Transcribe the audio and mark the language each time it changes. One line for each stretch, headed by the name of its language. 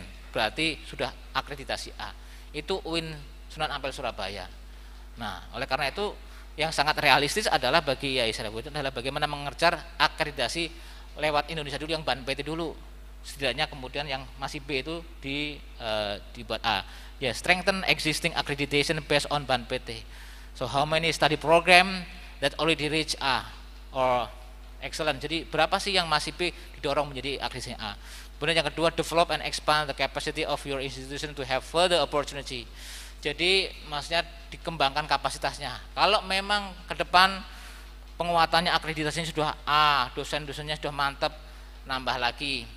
Indonesian: Berarti sudah akreditasi A. Itu UIN Sunan Ampel Surabaya. Nah, oleh karena itu yang sangat realistis adalah bagi IAI Sarifuddin adalah bagaimana mengejar akreditasi lewat Indonesia dulu yang BAN PT dulu. Setidaknya kemudian yang masih B itu dibuat A.
English: Ya, yeah, strengthen existing accreditation based on BAN PT. So how many study program that already reach A or excellent.
Indonesian: Jadi berapa sih yang masih B didorong menjadi akreditasi A. Kemudian yang kedua,
English: develop and expand the capacity of your institution to have further opportunity.
Indonesian: Jadi maksudnya dikembangkan kapasitasnya. Kalau memang ke depan penguatannya akreditasinya sudah A, dosen-dosennya sudah mantap, nambah lagi.